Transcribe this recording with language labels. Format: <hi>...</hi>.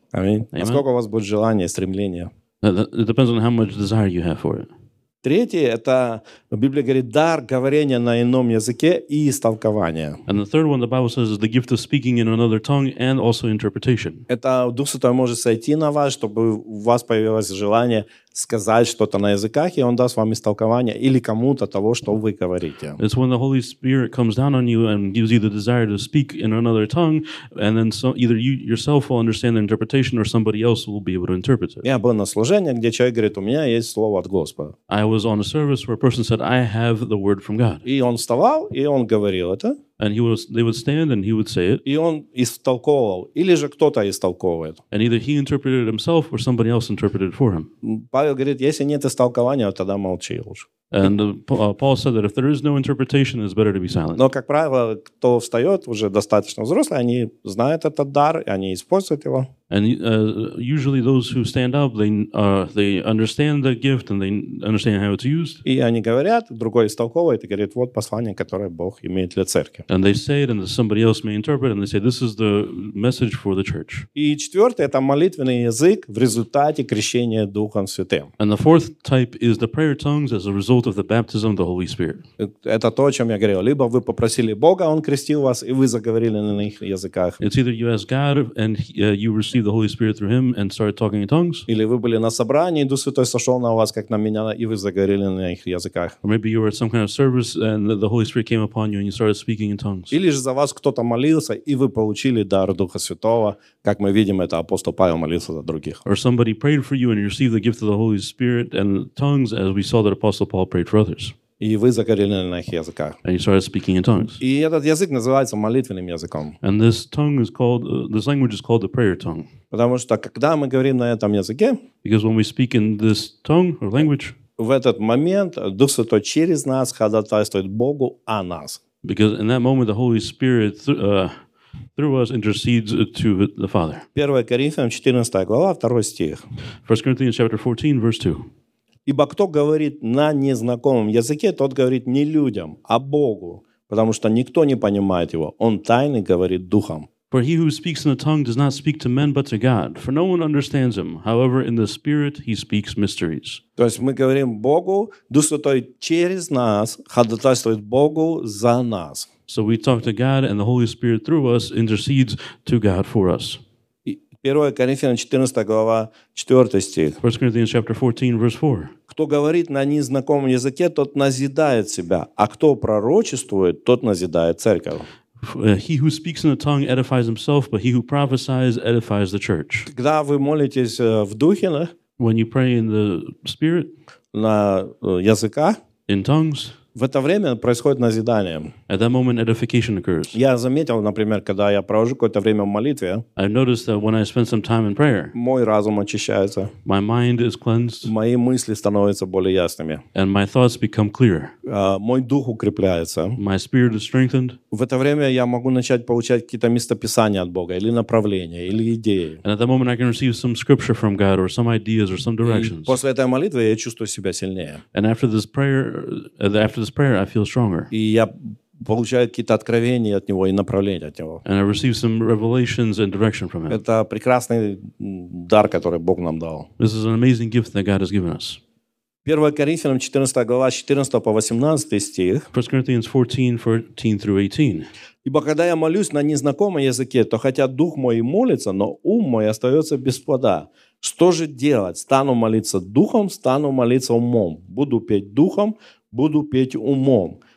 <en>I mean,</en> <ru>насколько у вас будет желание, стремление?</ru> <en>It depends on how much desire you have for it.</en> <ru>Третье – это, Библия говорит, дар говорения на ином языке и истолкование.</ru> <en>And the third one, the Bible says, is the gift of speaking in another tongue and also interpretation.</en> <ru>Это Дух Святой может сойти на вас, чтобы у вас появилось желание сказать что-то на языках, и Он даст вам истолкование или кому-то того, что вы говорите.</ru> <en>It's when the Holy Spirit comes down on you and gives you the desire to speak in another tongue, and then so either you yourself will understand the interpretation or somebody else will be able to interpret it.</en> <ru>Я был на служении, где человек говорит, у меня есть слово от Господа.</ru> <en>I was on a service where a person said, I have the word from God.</en> <ru>И он вставал, и он говорил это.</ru> <en>And they would stand and he would say it.</en> <ru>И он истолковывал, или же кто-то истолковывает.</ru> <en>And either he interpreted it himself or somebody else interpreted it for him.</en> <ru>Павел говорит, если нет истолкования, тогда молчи уж.</ru> <en>And Paul said that if there is no interpretation, it's better to be silent.</en> <ru>Но, как правило, кто встает, уже достаточно взрослый, они знают этот дар, и они используют его.</ru> <en>And usually those who stand up, they understand the gift and they understand how it's used.</en> <ru>И они говорят, другой истолковывает и говорит, вот послание, которое Бог имеет для церкви.</ru> <en>And they say it and somebody else may interpret it and they say, this is the message for the church.</en> <ru>И четвертый – это молитвенный язык в результате крещения Духом Святым.</ru> <en>And the fourth type is the prayer tongues as a result of the baptism of the Holy Spirit.</en> <ru>Это то, о чем я говорил. Либо вы попросили Бога, Он крестил вас, и вы заговорили на иных языках.</ru> <en>It's either you ask God and you receive received the Holy Spirit through him and started talking in tongues?</en> <ru>Или вы были на собрании, Дух Святой сошел на вас, как на меня, и вы загорели на их языках?</ru> <en>Or maybe you were at some kind of service and the Holy Spirit came upon you and you started speaking in tongues.</en> <ru>Или же за вас кто-то молился, и вы получили дар Духа Святого, как мы видим, это апостол Павел молился за других.</ru> <en>Or somebody prayed for you and you received the gift of the Holy Spirit and tongues, as we saw that apostle Paul prayed for others.</en> <ru>И вы загорели на их языках.</ru> <en>And you started speaking in tongues.</en> <ru>И этот язык называется молитвенным языком.</ru> <en>And this tongue is called, this language is called the prayer tongue.</en> <ru>Потому что когда мы говорим на этом языке,</ru> <en>because when we speak in this tongue or language,</en> <ru>в этот момент Дух Святой через нас ходатайствует Богу о нас.</ru> <en>Because in that moment the Holy Spirit through us intercedes to the Father.</en> <ru>1 Коринфянам 14 глава 2 стих.</ru> <en>1 Corinthians chapter 14 verse 2.</en> <ru>Ибо кто говорит на незнакомом языке, тот говорит не людям, а Богу, потому что никто не понимает его. Он тайны говорит духом.</ru> <en>For he who speaks in a tongue does not speak to men, but to God. For no one understands him. However, in the Spirit he speaks mysteries.</en> <ru>То есть мы говорим Богу, Дух Святой через нас ходатайствует Богу за нас.</ru> <en>So we talk to God, and the Holy Spirit through us intercedes to God for us.</en> <ru>1 Коринфянам 14 глава 4 стих.</ru> <en>1 Corinthians chapter 14 verse 4.</en> <ru>Кто говорит на незнакомом языке, тот назидает себя, а кто пророчествует, тот назидает церковь.</ru> <en>He who speaks in a tongue edifies himself, but he who prophesies edifies the church.</en> <ru>Когда вы молитесь в духе, да?</ru> <en>When you pray in the spirit,</en> <ru>на языках,</ru> <en>in tongues,</en> <ru>в это время происходит назидание.</ru> <en>At that moment, edification occurs.</en> <ru>Я заметил, например, когда я провожу какое-то время в молитве,</ru> <en>I've noticed that when I spend some time in prayer,</en> <ru>мой разум очищается.</ru> <en>My mind is cleansed.</en> <ru>Мои мысли становятся более ясными.</ru> <en>And my thoughts become clearer.</en> <ru>Мой дух укрепляется.</ru> <en>My spirit is strengthened.</en> <ru>В это время я могу начать получать какие-то местописания от Бога, или направления, или идеи.</ru> <en>And at that moment, I can receive some scripture from God, or some ideas, or some directions.</en> <ru>И после этой молитвы я чувствую себя сильнее.</ru> <en>And after this prayer, I feel stronger.</en> <ru>И я получаю какие-то откровения от него и направления от него.</ru> <en>And I receive some revelations and direction from him.</en> <ru>Это прекрасный дар, который Бог нам дал.</ru> <en>This is an amazing gift that God has given us.</en> <ru>1 Коринфянам 14 глава 14 по 18 стих.</ru> <en>1 Corinthians 14, 14 through 18.</en> <ru>Ибо когда я молюсь на незнакомом языке, то хотя дух мой молится, но ум мой остается без плода. Что же делать? Стану молиться духом, стану молиться умом. Буду петь духом, буду петь умом.</ru>